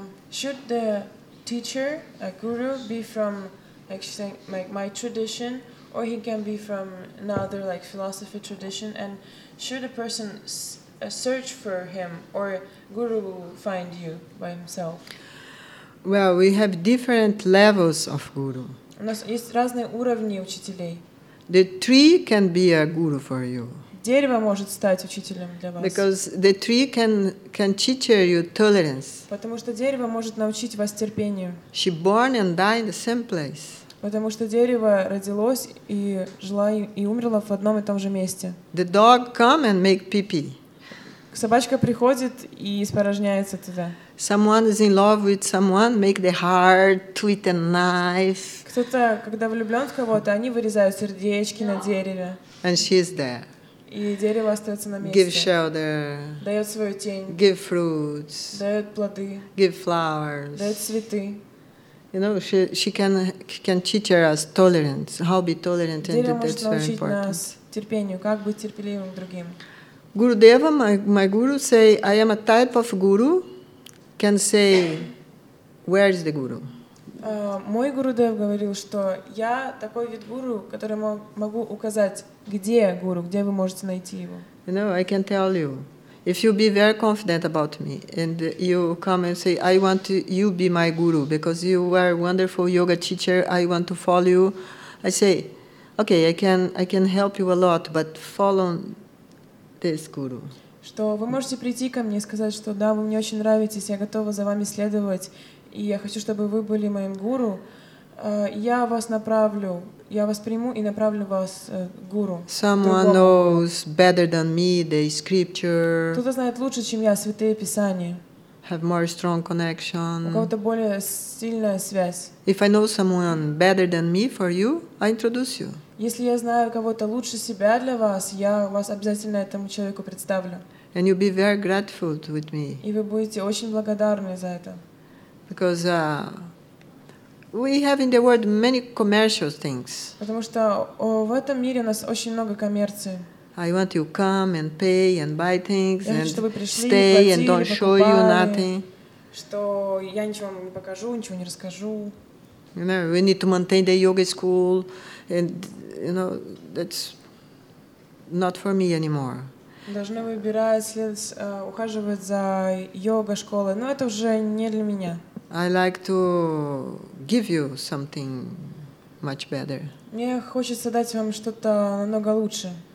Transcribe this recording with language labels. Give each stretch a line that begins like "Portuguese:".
English: Should the teacher, a guru, be from like my tradition, or he can be from another like philosophy tradition? And should a person search for him, or guru will find you by himself? Well, we have different levels of guru.
Russian: У нас есть разные уровни учителей.
English: The tree can be a guru for you.
Russian: Дерево может стать учителем для вас.
English: Because the tree can teach you tolerance.
Russian: Потому что дерево может научить вас терпению.
English: She born and died in the same place.
Russian: Потому что дерево родилось и жило и умерло в одном и том же месте.
English: The dog come and make pee-pee.
Russian: Собачка приходит и испорожняется туда.
English: Someone is in love with someone, make the heart with a knife.
Russian: Кто-то, когда влюблен в кого-то, они вырезают сердечки на дереве.
English: And she is there.
Russian: И дерево остается на месте.
English: Give shelter.
Russian: Дает свою тень.
English: Give fruits.
Russian: Дает плоды.
English: Give flowers.
Russian: Дает цветы.
English: You know, she can teach us tolerance, how be tolerant, and that's very important.
Russian: Дерево может научить нас терпению, как быть терпеливым другим.
English: Gurudeva, my guru, say, I am a type of guru, can say, where is the guru?
Russian: Мой Гурудев говорил, что я такой вид гуру, который могу указать, где гуру, где вы можете найти его.
English: You know, I can tell you, if you be very confident about me, and you come and say, I want you be my guru, because you are a wonderful yoga teacher, I want to follow you, I say, okay, I can help you a lot, but follow this guru.
Russian: Что вы можете прийти ко мне и сказать, что да, вы мне очень нравитесь, я готова за вами следовать, и я хочу, чтобы вы были моим гуру. Я вас направлю, я вас приму и направлю вас к гуру.
English: Someone knows better than me the scripture.
Russian: Кто-то знает лучше, чем я, святые писания.
English: Have more strong connection.
Russian: У кого-то более сильная связь.
English: If I know someone better than me for you, I introduce you.
Russian: Если я знаю кого-то лучше себя для вас, я вас обязательно этому человеку представлю.
English: And you'll be very grateful with me.
Russian: И вы будете очень благодарны за это.
English: Because we have in the world many commercial things.
Russian: Потому что в этом мире у нас очень много коммерции.
English: I want you to come and pay and buy things and
Russian: пришли,
English: stay and don't
Russian: покупали,
English: show you nothing.
Russian: Что я ничего вам не покажу, ничего не расскажу.
English: You know, we need to maintain the yoga school. And, you know, that's not for me anymore.
Russian: Должны выбирать, ухаживать за йога-школой. Но это уже не для меня.
English: I like to give you something much better.
Russian: Мне хочется дать вам что-то намного лучше.